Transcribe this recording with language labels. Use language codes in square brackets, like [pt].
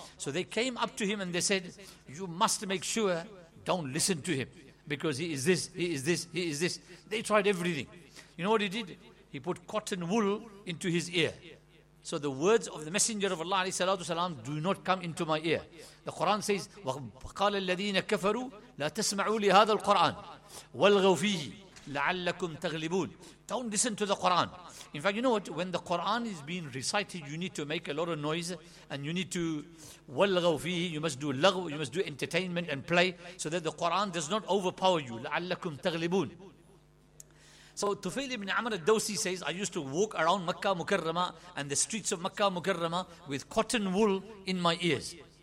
[en] So they came up to him and they said, you must make sure, don't listen to him, because he is this, he is this, he is this. They tried everything. You know what he did? He put cotton wool into his ear. So the words of the Messenger of Allah alayhi salatu wasalam, do not come into my ear. The Quran says, [ar] وَقَالَ الَّذِينَ كَفَرُوا لَا تَسْمَعُوا لِهَذَا الْقُرْآنِ وَالْغَوْ فِيهِ لَعَلَّكُمْ تَغْلِبُونَ. [en] Don't listen to the Quran. In fact, you know what? When the Quran is being recited, you need to make a lot of noise and you need to [ar] وَالْغَوْ فِيهِ. [en] You must do lagh, you must do entertainment and play so that the Quran does not overpower you. [ar] لَعَلَّكُمْ تَغْلِبُونَ. [en] So Tufail ibn Amr al-Dawsi says, I used to walk around Makkah Mukarrama and the streets of Makkah Mukarrama with cotton wool in my ears.